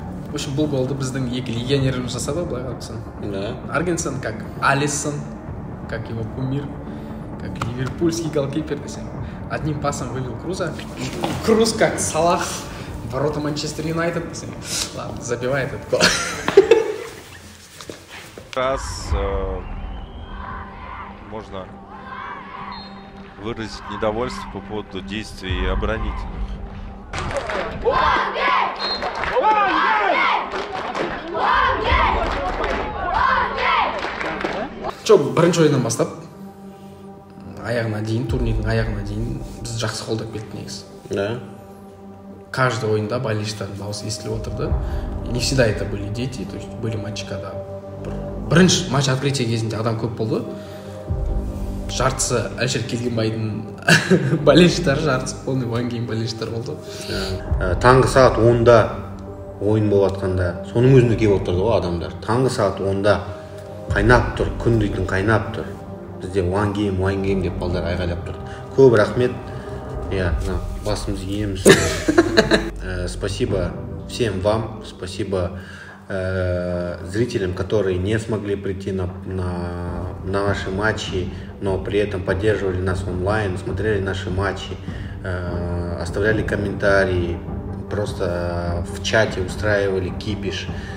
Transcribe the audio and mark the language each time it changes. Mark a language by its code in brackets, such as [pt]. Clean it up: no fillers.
[ru] В общем, [kk] бұл болды біздің екі легионеріміз жасады, былай қарапсын. [ru] Да. Аргенсен как Алисон, как его кумир, как ливерпульский голкипер. Одним пасом вывел Круза. Круз как Салах, ворота Манчестер Юнайтед. Ладно, забивает этот гол. Раз можно выразить недовольство по поводу действий оборонительных. [kk] Че, бірінші ойынан бастап, аяғына дейін, турнирдің аяғына дейін біз жақсы қолдап келдік негіз. [ru] Да. Каждый [kk] ойында болельщиктердің дауысы естіліп отырды. [ru] Не всегда это были дети, то есть были матчи, когда [kk] бірінші [ru] матч открытия [kk] кезінде адам көп болды. Жартысы Әлшер Келгенбайдың болельщиктері, жартысы [ru] полный [kk] One Game болельщиктер болды. [ru] Да. [kk] Таңғы сағат 10-да ойын болатқанда, соның өзінде келіп отырды ғой адамдар. Таңғы сағат 10-да қайнап тұр, күн дейтін қайнап тұр. Бізде One Game, One Game деп балдар айғайлап тұр. Көп рахмет. Иә, басымыз иеміз. [ru] Спасибо всем вам, спасибо зрителям, которые не смогли прийти на наши матчи, но при этом поддерживали нас онлайн, смотрели наши матчи, оставляли комментарии, просто в чате устраивали кипиш.